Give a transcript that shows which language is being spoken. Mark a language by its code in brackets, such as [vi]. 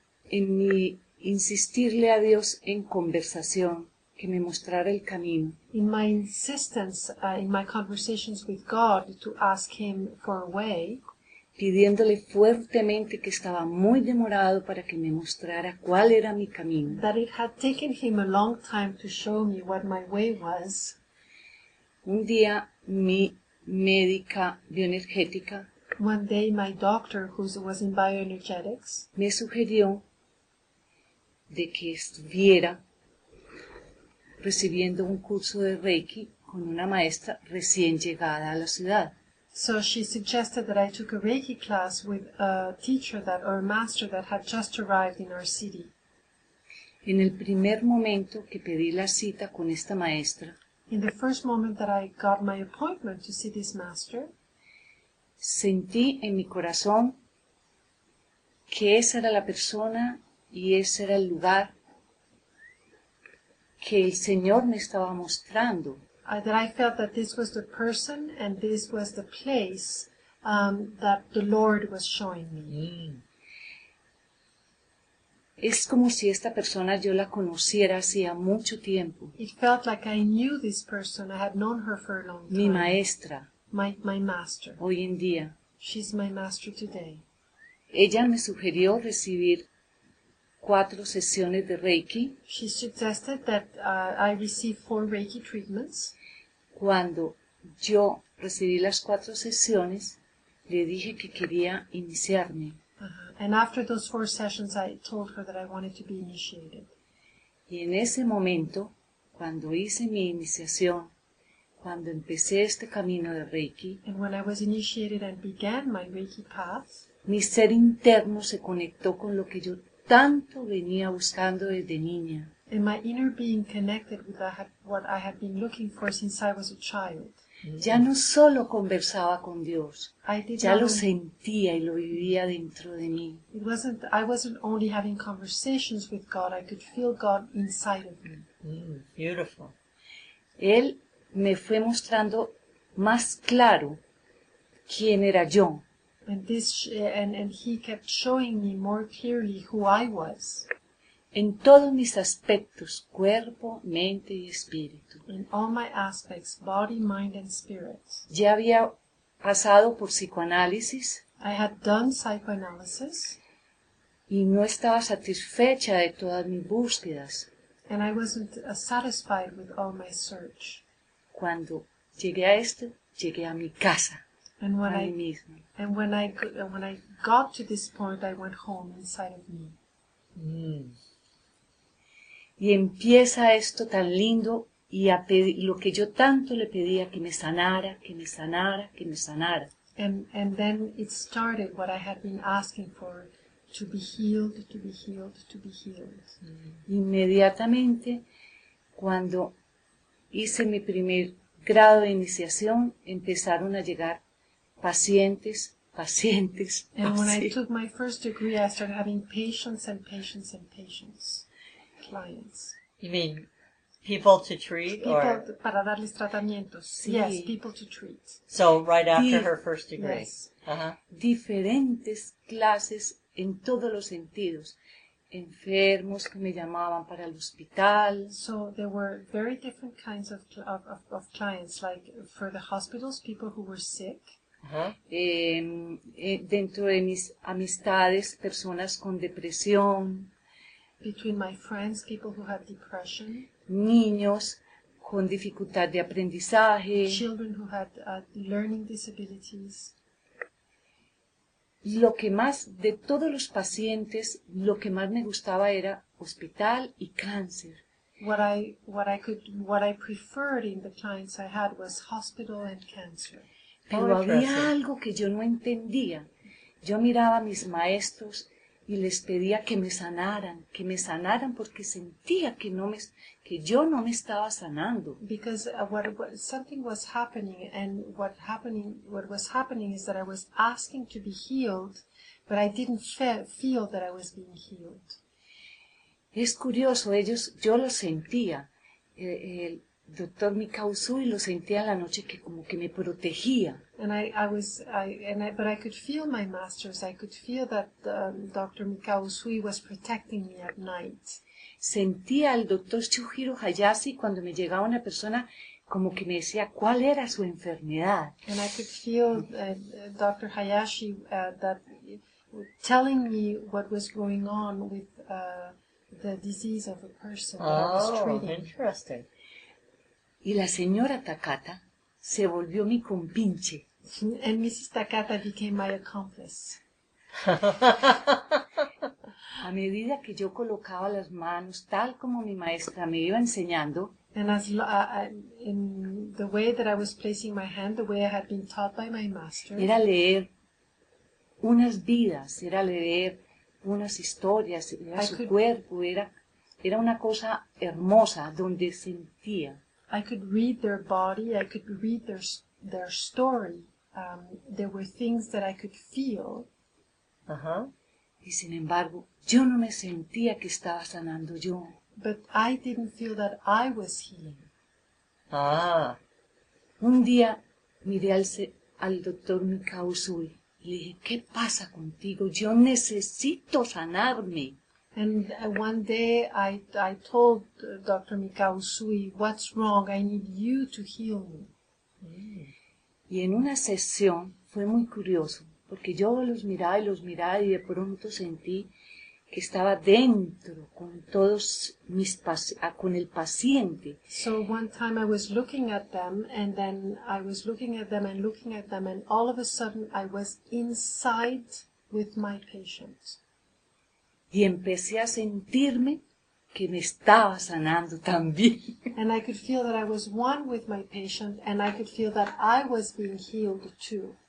[es] En mi insistirle a Dios en conversación, que me mostrara el camino. [en] In my insistence, in my conversations with God, to ask him for a way. [es] Pidiéndole fuertemente que estaba muy demorado para que me mostrara cuál era mi camino. [en] That it had taken him a long time to show me what my way was. [es] Un día, mi médica bioenergética. [en] One day, my doctor, who was in bioenergetics. [es] Me sugirió de que estuviera recibiendo un curso de Reiki con una maestra recién llegada a la ciudad. [en] So she suggested that I took a Reiki class with a teacher that or a master that had just arrived in our city. [es] En el primer momento que pedí la cita con esta maestra, [en] in the first moment that I got my appointment to see this master, [es] sentí en mi corazón que esa era la persona y ese era el lugar que el Señor me estaba mostrando. [en] That I felt that this was the person and this was the place that the Lord was showing me. [es] Es como si esta persona yo la conociera hacía mucho tiempo. [en] It felt like I knew this person. I had known her for a long time. [es] Mi maestra. [en] My master. [es] Hoy en día. [en] She's my master today. [es] Ella me sugirió recibir 4 sesiones de Reiki. [en] She suggested that I receive 4 Reiki treatments. [es] Cuando yo recibí las 4 sesiones, le dije que quería iniciarme. Uh-huh. [en] And after those 4 sessions, I told her that I wanted to be initiated. [es] Y en ese momento, cuando hice mi iniciación, cuando empecé este camino de Reiki, [en] and when I was initiated and began my Reiki path, [es] mi ser interno se conectó con lo que yo tanto venía buscando desde niña. [en] And my inner being connected with what I had been looking for since I was a child. [es] Ya no solo conversaba con Dios, ya lo sentía y lo vivía dentro de mí. [en] I wasn't only having conversations with God, I could feel God inside of me. Beautiful. [es] Él me fue mostrando más claro quién era yo. [en] And he kept showing me more clearly who I was. [es] En todos mis aspectos, cuerpo, mente y espíritu. [en] In all my aspects, body, mind and spirit. [es] Ya había pasado por psicoanálisis. [en] I had done psychoanalysis. [es] Y no estaba satisfecha de todas mis búsquedas. [en] And I wasn't satisfied with all my search. [es] Cuando llegué a esto, llegué a mi casa. [en] And when I mismo. And when I got to this point, I went home inside of me. [es] Y empieza esto tan lindo y a pedir, lo que yo tanto le pedía, que me sanara, que me sanara, que me sanara. [en] And then it started what I had been asking for, to be healed, to be healed, to be healed. [es] Inmediatamente, cuando hice mi primer grado de iniciación, empezaron a llegar pacientes, pacientes, pacientes. [en] And when I took my first degree, I started having patients and patients and patients. Clients. You mean people to treat? People, or? [es] Para darles tratamientos. Sí. [en] Yes, people to treat. So right after her first degree. Yes. Uh-huh. [es] Diferentes clases en todos los sentidos. Enfermos que me llamaban para el hospital. [en] So there were very different kinds of clients, like for the hospitals, people who were sick. [es] Uh-huh. Dentro de mis amistades, personas con depresión. [en] Between my friends, people who have depression. [es] Niños con dificultad de aprendizaje. [en] Children who had learning disabilities. [es] Lo que más, de todos los pacientes, lo que más me gustaba era hospital y cáncer. [en] What I preferred in the clients I had was hospital and cancer. [es] Pero oh, había algo que yo no entendía. Yo miraba a mis maestros y les pedía que me sanaran porque sentía que no me, que yo no me estaba sanando. [en] Because something was happening, and what was happening is that I was asking to be healed, but I didn't feel that I was being healed. [es] Es curioso, ellos, yo lo sentía, el doctor Mika Usui lo sentía en la noche que como que me protegía. [en] And I could feel my masters. I could feel that Dr. Mika Usui was protecting me at night. [es] Sentía al doctor Chuhiro Hayashi cuando me llegaba una persona como que me decía cuál era su enfermedad. [en] And I could feel Dr. Hayashi that telling me what was going on with the disease of a person that I was treating. Oh, interesting. [es] Y la señora Takata se volvió mi compinche. [en] And Mrs. Takata became my accomplice. [es] A medida que yo colocaba las manos, tal como mi maestra me iba enseñando, [en] and as in the way that I was placing my hand, the way I had been taught by my master, [es] era leer unas vidas, era leer unas historias, era su cuerpo, era una cosa hermosa donde sentía. [en] I could read their body, I could read their story. There were things that I could feel. [es] Y sin embargo, yo no me sentía que estaba sanando yo. [en] But I didn't feel that I was healing. [es] Un día miré al doctor Mika Usui y le dije, ¿qué pasa contigo? Yo necesito sanarme. [en] And one day I told Dr. Mika Usui, what's wrong? I need you to heal me. [es] Y en una sesión fue muy curioso, porque yo los miraba y los miraba y de pronto sentí que estaba dentro con todos mis con el paciente. [en] So one time I was looking at them, and then I was looking at them and looking at them, and all of a sudden I was inside with my patient. [es] Y empecé a sentirme que me estaba sanando también. [en] And I could feel that I was one with my patient, and I could feel that I was being healed too.